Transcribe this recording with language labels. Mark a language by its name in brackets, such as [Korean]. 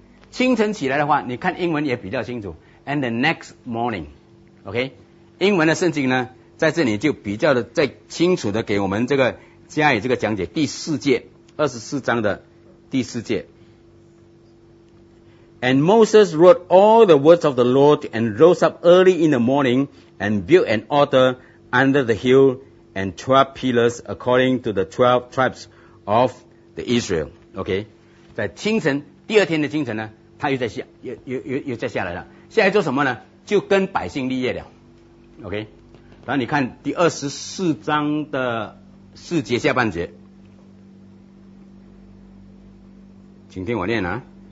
[Chinese] 清晨起来的话，你看英文也比较清楚 ， [English] and the next morning，OK，、okay? [Chinese] 英文的圣经呢，在这里就比较的再清楚的给我们这个。加以这个讲解，第四节，二十四章的第四节。 [English] And Moses wrote all the words of the Lord and rose up early in the morning and built an altar under the hill and 12 pillars according to the 12 tribes of the Israel. [Chinese] OK, 在清晨，第二天的清晨呢，他又在下，又再下来了。下来做什么呢？就跟百姓立业了。OK, 然后你看第二十四章的四节下半节，请听我念啊。